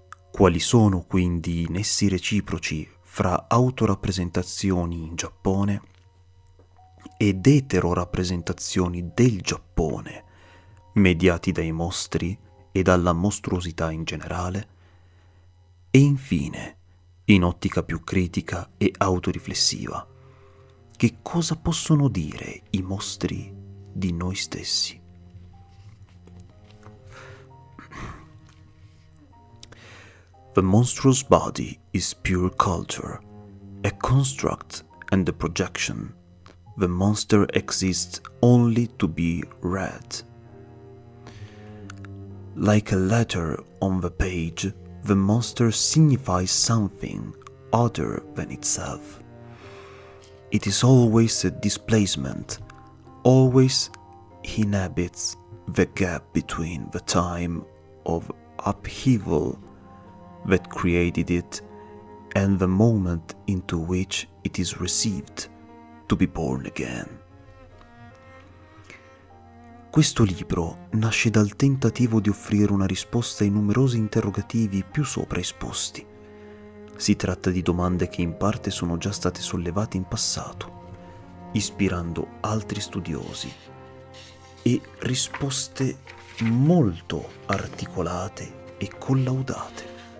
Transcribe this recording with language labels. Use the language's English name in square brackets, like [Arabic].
[Italian] Quali sono quindi i nessi reciproci fra autorappresentazioni in Giappone ed eterorappresentazioni del Giappone, mediati dai mostri e dalla mostruosità in generale? E infine, in ottica più critica e autoriflessiva, che cosa possono dire i mostri di noi stessi? [English] The monstrous body is pure culture, a construct and a projection. The monster exists only to be read. Like a letter on the page, the monster signifies something other than itself. It is always a displacement, always inhabits the gap between the time of upheaval that created it and the moment into which it is received to be born again. [Italian] Questo libro nasce dal tentativo di offrire una risposta ai numerosi interrogativi più sopra esposti. Si tratta di domande che in parte sono già state sollevate in passato, ispirando altri studiosi, e risposte molto articolate e collaudate.